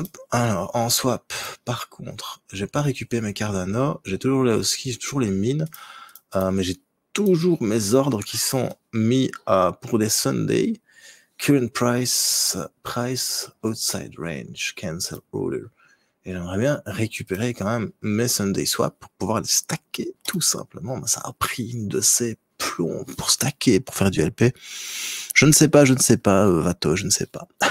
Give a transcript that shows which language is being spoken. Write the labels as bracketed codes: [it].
[fr] Alors, en swap, par contre, j'ai pas récupéré mes Cardano, j'ai toujours les huskies, j'ai toujours les mines, mais j'ai toujours mes ordres qui sont mis pour des Sunday. [en] Current price outside range, cancel order. [fr] Et j'aimerais bien récupérer quand même mes Sunday swaps pour pouvoir les stacker tout simplement. Mais ça a pris une de ces plomb, pour stacker, pour faire du LP. Je ne sais pas, je ne sais pas, Vato, je ne sais pas.